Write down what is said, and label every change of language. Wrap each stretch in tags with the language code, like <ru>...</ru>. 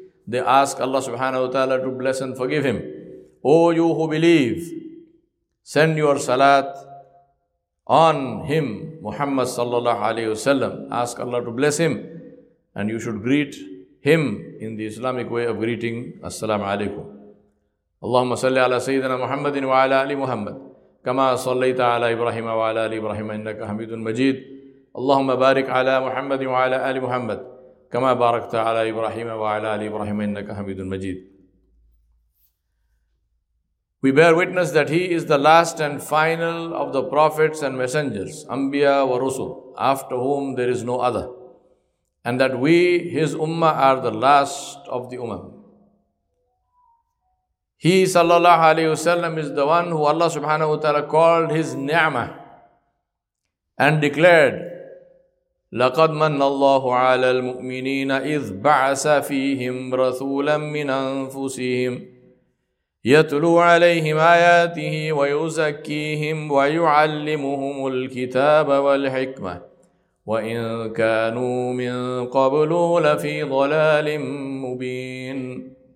<en>They ask Allah subhanahu wa ta'ala to bless and forgive him. O you who believe, send your salat on him, Muhammad sallallahu alayhi wa sallam. Ask Allah to bless him, and you should greet him in the Islamic way of greeting, As-salamu alaykum.</en> <ar>Allahumma salli ala Sayyidina Muhammadin wa ala Ali Muhammad. كما صليت على إبراهيم وعلى آل إبراهيم إنك حميد مجيد اللهم بارك على محمد وعلى آل محمد كما باركت على إبراهيم وعلى آل إبراهيم إنك حميد مجيد.</ar> <en>We bear witness that he is the last and final of the prophets and messengers, Anbiya wa Rusul, after whom there is no other, and that we, his Ummah, are the last of the Umam. He sallallahu alayhi wa sallam is the one who Allah subhanahu wa ta'ala called His Neyma and declared,</en> <ar>لَقَدْ مَنَّ اللَّهُ عَلَى الْمُؤْمِنِينَ إِذْ بَعَثَ فِيهِمْ رَسُولًا مِّنْ أَنفُسِهِمْ يَتْلُو عَلَيْهِمْ آيَاتِهِ وَيُزَكِّيهِمْ وَيُعَلِّمُهُمُ الْكِتَابَ وَالْحِكْمَةِ وَإِنْ كَانُوا مِنْ قَبْلُ لَفِي ضَلَالٍ مُّبِينٍ.</ar>